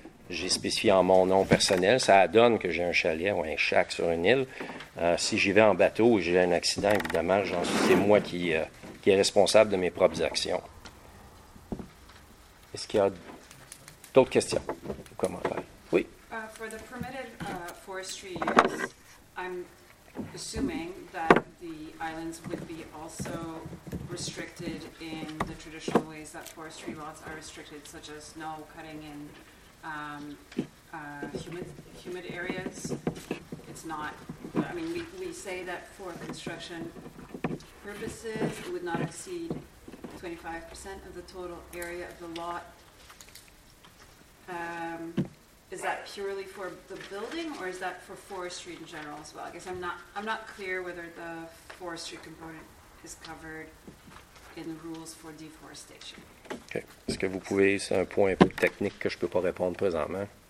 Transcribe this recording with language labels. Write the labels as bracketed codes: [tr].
[fr] J'ai spécifié en mon nom personnel. Ça donne que j'ai un chalet ou un shack sur une île. Si j'y vais en bateau ou j'ai un accident, évidemment, c'est moi qui est responsable de mes propres actions. Est-ce qu'il y a d'autres questions ou commentaires? Oui. [en] For the permitted forestry use, I'm assuming that the islands would be also restricted in the traditional ways that forestry laws are restricted, such as no cutting in humid areas. It's not. I mean, we say that for construction purposes, it would not exceed 25% of the total area of the lot. Is that purely for the building, or is that for forestry in general as well? I guess I'm not clear whether the forestry component is covered in the rules for deforestation. Okay. [fr] Est-ce que vous pouvez, c'est un point un peu technique que je peux pas répondre présentement.